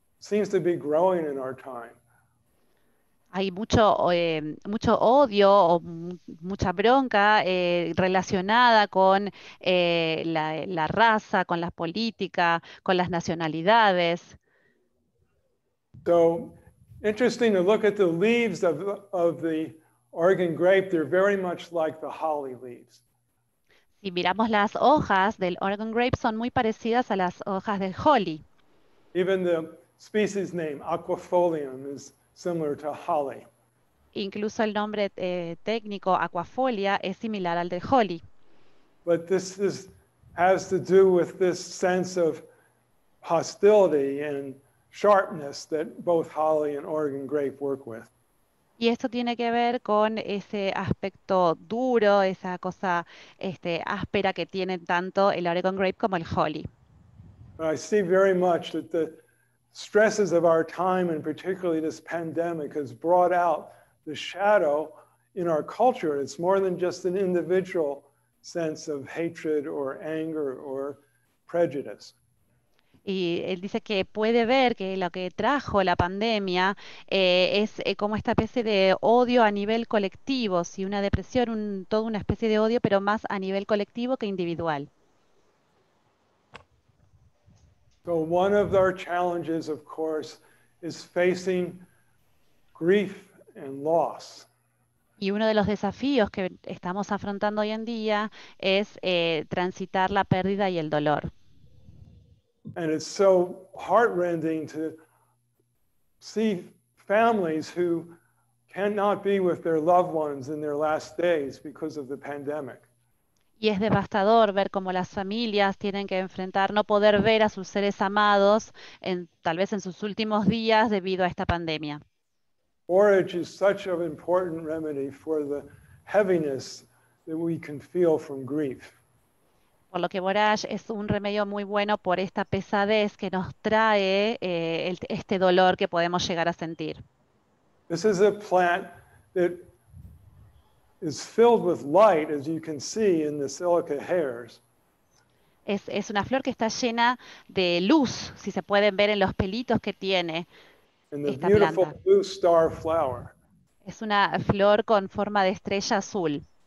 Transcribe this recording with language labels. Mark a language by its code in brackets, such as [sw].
[en] It seems to be growing in our time. [es] Hay mucho odio o mucha bronca relacionada con la raza, con la política, con las nacionalidades. [en] So, interesting to look at the leaves of the Oregon grape, they're very much like the holly leaves. [es] Si miramos las hojas del Oregon grape, son muy parecidas a las hojas del holly. [en] Even the species name, aquifolium, is similar to holly. [es] Incluso el nombre técnico aquafolia es similar al de holly. [en] But this has to do with this sense of hostility and sharpness that both holly and Oregon grape work with. [es] Y esto tiene que ver con ese aspecto duro, esa cosa áspera que tienen tanto el Oregon grape como el holly. [en] But I see very much that the stresses of our time, and particularly this pandemic, has brought out the shadow in our culture. It's more than just an individual sense of hatred or anger or prejudice. [es] Y él dice que puede ver que lo que trajo la pandemia es como esta especie de odio a nivel colectivo, sí, una depresión, toda una especie de odio, pero más a nivel colectivo que individual. [en] So one of our challenges, of course, is facing grief and loss. [es] Y uno de los desafíos que estamos afrontando hoy en día es transitar la pérdida y el dolor. [en] And it's so heartrending to see families who cannot be with their loved ones in their last days because of the pandemic. [es] Y es devastador ver cómo las familias tienen que enfrentar no poder ver a sus seres amados en tal vez en sus últimos días debido a esta pandemia. [en] Porridge is such an important remedy for the heaviness that we can feel from grief. [es] Por lo que borage es un remedio muy bueno por esta pesadez que nos trae este dolor que podemos llegar a sentir. [en] This is a plant that is filled with light, as you can see in the silica hairs. [es] Es una flor que está llena de luz, si se pueden ver en los pelitos que tiene esta [en] beautiful [es] planta. [en] Blue star flower. [es] Es una flor con forma de estrella azul.